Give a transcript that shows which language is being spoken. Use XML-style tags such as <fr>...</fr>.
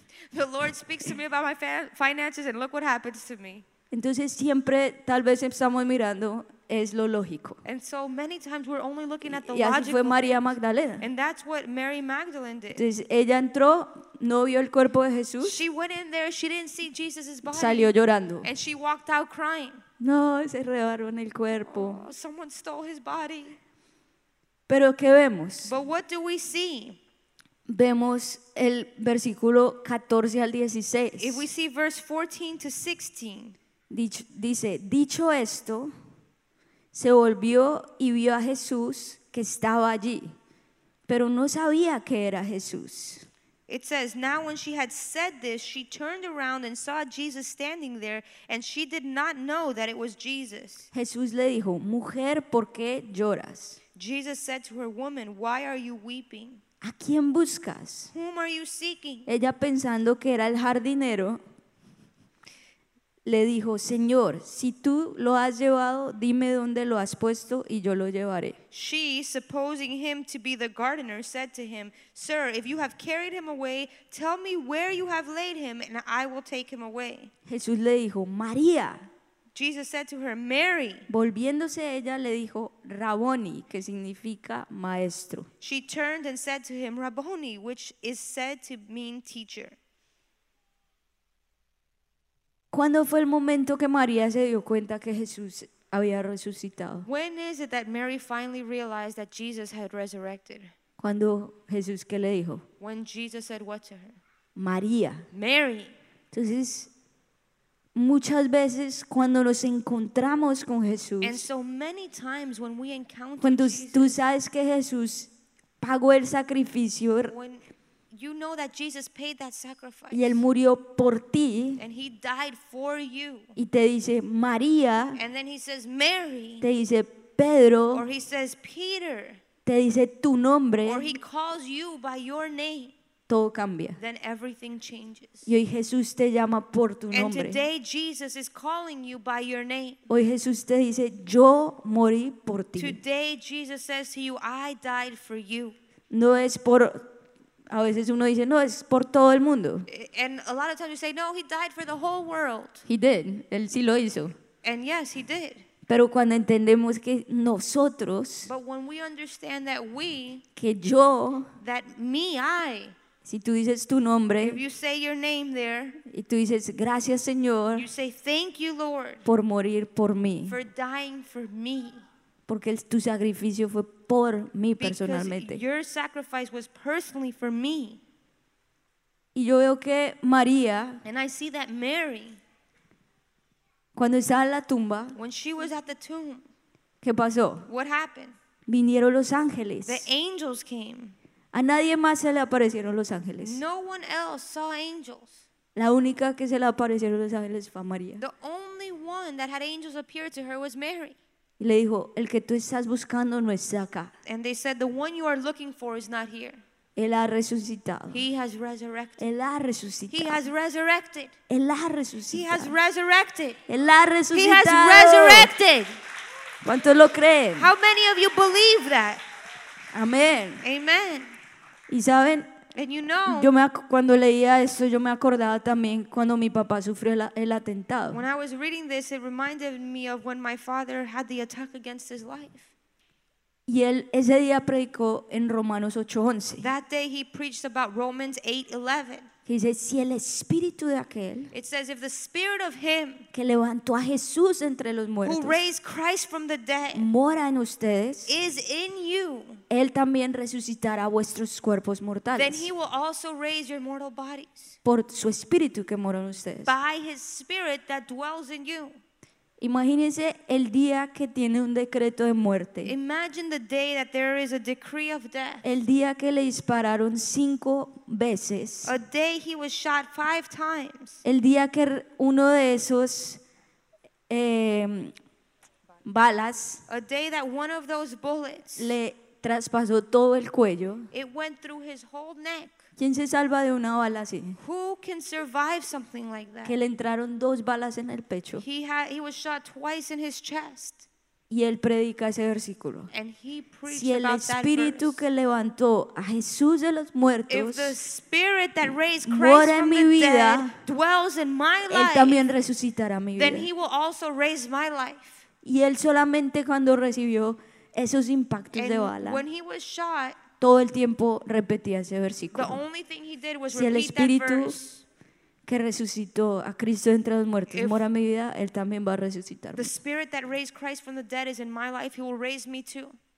<en>The Lord speaks to me about my finances and look what happens to me.</en> <es>Entonces siempre, tal vez estamos mirando, es lo lógico.</es> <en>And so many times we're only looking at the logical.</en> <es>Y así fue María Magdalena.</es> <en>And that's what Mary Magdalene did.</en> <es>Entonces ella entró, no vio el cuerpo de Jesús.</es> <en>She went in there, she didn't see Jesus's body.</en> <es>Salió llorando.</es> <en>And she walked out crying.</en> <es>No, se robaron el cuerpo.</es> <en>Oh, someone stole his body.</en> <es>Pero ¿qué vemos?</es> <en>But what do we see?</en> <es>Vemos el versículo 14 al 16.</es> <en>If we see verse 14 to 16.</en> <es>Dicho esto, se volvió y vio a Jesús que estaba allí, pero no sabía que era Jesús.</es> <en>It says, now when she had said this, she turned around and saw Jesus standing there, and she did not know that it was Jesus.</en> <es>Jesús le dijo, mujer, ¿por qué lloras?</es> <en>Jesus said to her, woman, why are you weeping?</en> <es>¿A quién buscas?</es> <en>Whom are you seeking?</en> <es>Ella pensando que era el jardinero, le dijo, Señor, si tú lo has llevado, dime dónde lo has puesto y yo lo llevaré.</es> <en>She, supposing him to be the gardener, said to him, sir, if you have carried him away, tell me where you have laid him and I will take him away.</en> <es>Jesús le dijo, María.</es> <en>Jesus said to her, Mary.</en> <es>Volviéndose ella, le dijo, Rabboni, que significa maestro.</es> <en>She turned and said to him, Rabboni, which is said to mean teacher.</en> <es>¿Cuándo fue el momento que María se dio cuenta que Jesús había resucitado?</es> <en>When is it that Mary finally realized that Jesus had resurrected?</en> <es>¿Cuándo Jesús qué le dijo?</es> <en>When Jesus said what to her?</en> <es>María.</es> <en>Mary.</en> <es>Entonces, Muchas veces cuando nos encontramos con Jesús,</es> <en>and so many times when we encounter</en> <es>cuando</es> <en>Jesus,</en> <es>tú sabes que Jesús pagó el sacrificio,</es> <en>when you know that Jesus paid that sacrifice,</en> <es>y Él murió por ti,</es> <en>and he died for you,</en> <es>y te dice María,</es> <en>and then he says, Mary,</en> <es>te dice Pedro,</es> <en>or he says, Peter,</en> <es>te dice tu nombre,</es> <en>or he calls you by your name,</en> <es>todo cambia.</es> <en>Then everything changes.</en> <es>Y hoy Jesús te llama por tu</es> <en>and</en> <es>nombre.</es> <en>Today Jesus is calling you by your name.</en> <es>Hoy Jesús te dice, yo morí por ti.</es> <en>Today Jesus says to you, I died for you.</en> <es>No es por, a veces uno dice, no, es por todo el mundo.</es> <en>And a lot of times you say, no, he died for the whole world. He did.</en> <es>Él sí lo hizo.</es> <en>And yes, he did.</en> <es>Pero cuando entendemos que nosotros,</es> <en>but when we understand that we,</en> <es>que yo,</es> <en>that me, I,</en> <es>si tú dices tu nombre,</es> <en>if you say your name there,</en> <es>y tú dices gracias Señor,</es> <en>you say, thank you, Lord,</en> <es>por morir por mí,</es> <en>for dying for me,</en> <es>porque tu sacrificio fue por mí personalmente,</es> <en>because your sacrifice was personally for me.</en> <es>Y yo veo que María,</es> <en>and I see that Mary,</en> <es>cuando estaba en la tumba,</es> <en>when she was at the tomb,</en> <es>¿qué pasó?</es> <en>What happened?</en> <es>Vinieron los ángeles.</es> <en>The angels came.</en> <es>A nadie más se le aparecieron los ángeles.</es> <en>No one else saw angels.</en> <es>La única que se le aparecieron los ángeles fue a María.</es> <en>The only one that had angels appear to her was Mary.</en> <es>Y le dijo, el que tú estás buscando no está acá.</es> <en>And they said, the one you are looking for is not here.</en> <es>Él ha resucitado.</es> <en>He has resurrected.</en> <es>Él ha resucitado.</es> <en>He has resurrected.</en> <es>Él ha resucitado.</es> <en>He has resurrected.</en> <es>Él ha resucitado.</es> <en>He has resurrected.</en> <es>¿Cuántos lo creen?</es> <en>How many of you believe that?</en> <es>Amén.</es> <en>Amen.</en> <es>Y saben,</es> <en>and you know,</en> <es>yo me cuando leía esto, yo me acordaba también cuando mi papá sufrió el atentado.</es> <en>When I was reading this, it reminded me of when my father had the attack against his life.</en> <es>Y él ese día predicó en Romanos 8:11.</es> <en>That day he preached about Romans 8:11. He says,</en> <es>si el espíritu de aquel,</es> <en>it says, if the spirit of him</en> <es>que levantó a Jesús entre los muertos,</es> <en>who raised Christ from the dead,</en> <es>mora en ustedes,</es> <en>is in you,</en> <es>él también resucitará vuestros cuerpos mortales,</es> <en>then he will also raise your mortal bodies,</en> <es>por su espíritu que mora en ustedes,</es> <en>by his spirit that dwells in you.</en> <es>Imagínense el día que tiene un decreto de muerte.</es> <en>Imagine the day that there is a decree of death.</en> <es>El día que le dispararon 5 veces.</es> <en>A day he was shot 5 times.</en> <es>El día que uno de esos balas,</es> <en>a day that one of those bullets,</en> <es>le traspasó todo el cuello.</es> <en>It went through his whole neck.</en> <es>¿Quién se salva de una bala así?</es> <en>Who can survive something like that?</en> <es>Que le entraron 2 balas en el pecho.</es> <en>He was shot twice in his chest.</en> <es>Y él predica ese versículo.</es> <en>And he preached</en> <es>si el</es> <en>about</en> <es>espíritu</es> <en>that verse,</en> <es>que levantó a Jesús de los muertos,</es> <en>if the spirit that raised Christ from the</en> <es>vida,</es> <en>dead dwells in my life,</en> <es>él también resucitará mi vida.</es> <en>Then he will also raise my life.</en> <es>Y él solamente cuando recibió esos impactos</es> <en>and</en> <es>de bala,</es> <en>when he was shot,</en> <es>todo el tiempo repetía ese versículo.</es> <en>The only thing he did was</en> <es>si el Espíritu que resucitó a Cristo entre los muertos mora en mi vida, Él también va a resucitar.</es> <en>The spirit that raised Christ from the dead is in my life, He will raise me too.</en>